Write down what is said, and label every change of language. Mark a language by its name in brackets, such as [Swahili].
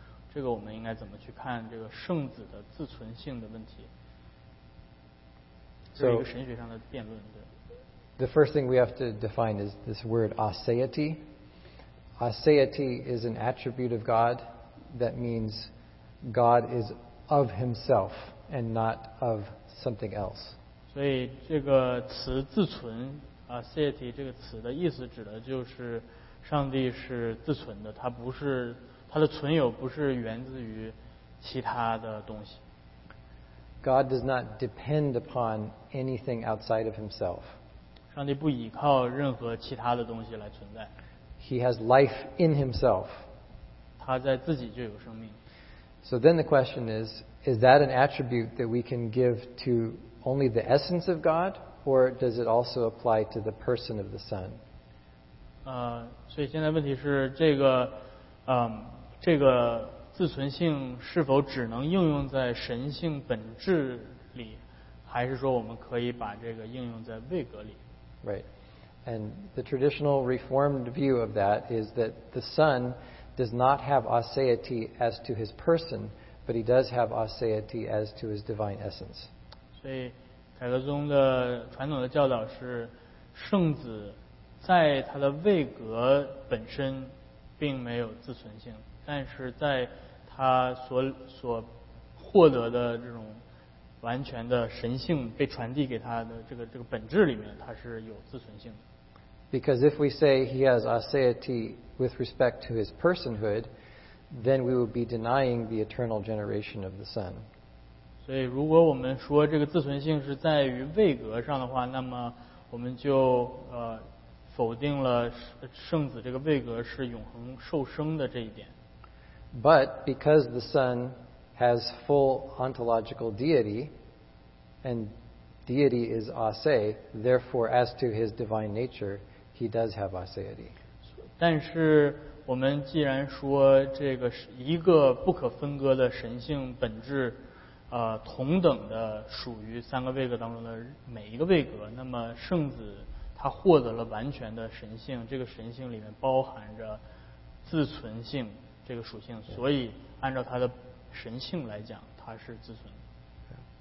[Chinese] 这个我们应该怎么去看这个圣子的自存性的问题？这是一个神学上的辩论。对。 [English] The first thing we have to define is this word aseity. Aseity is an attribute of God that means God is of Himself and not of something else. [Chinese] 所以这个词自存 aseity 这个词的意思指的就是上帝是自存的，它不是它的存有不是源自于其他的东西。 [English] God does not depend upon anything outside of Himself. [Chinese] 上帝不依靠任何其他的东西来存在。 [English] He has life in Himself. [Chinese] 他在自己就有生命。 [English] So then the question is that an attribute that we can give to only the essence of God, or does it also apply to the person of the Son? [Chinese] 所以现在问题是这个。这个自存性是否只能应用在神性本质里，还是说我们可以把这个应用在位格里？ [English] Right. And the traditional Reformed view of that is that the Son does not have aseity as to his person, but he does have aseity as to his divine essence. [Chinese] 所以凯格宗的传统的教导是圣子在他的位格本身并没有自存性，但是在他所获得的这种完全的神性被传递给他的这个本质里面，他是有自存性的。 [English] Because if we say he has aseity with respect to his personhood, then we would be denying the eternal generation of the Son. [Chinese] 所以如果我们说这个自存性是在于位格上的话，那么我们就否定了圣子这个位格是永恒受生的这一点。 [English] But because the Son has full ontological deity, and deity is ase, therefore as to his divine nature, he does have aseity. [Chinese] 但是我们既然说这个是一个不可分割的神性本质，同等的属于三个位格当中的每一个位格，那么圣子他获得了完全的神性，这个神性里面包含着自存性这个属性，所以按照他的神性来讲，他是自存的。